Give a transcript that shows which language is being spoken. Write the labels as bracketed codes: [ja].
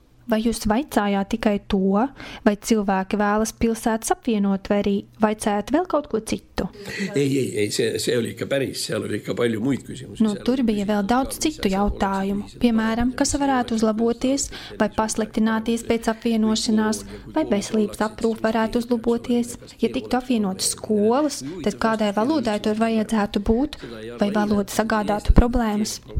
[lv] Vai jūs vaicājāt tikai to, vai cilvēki vēlas pilsētas apvienot, vai arī vaicājāt vēl kaut ko citu? [et] Ei, see oli ikka päris, seal oli ikka palju muid küsimus. [lv] No, tur bija vēl daudz citu jautājumu. Piemēram, kas varētu uzlaboties, vai pasliktināties pēc apvienošanās, vai veselības aprūpe varētu uzlaboties. Ja tiktu apvienot skolas, tad kādai valodai tur vajadzētu būt, vai valoda sagādātu problēmas?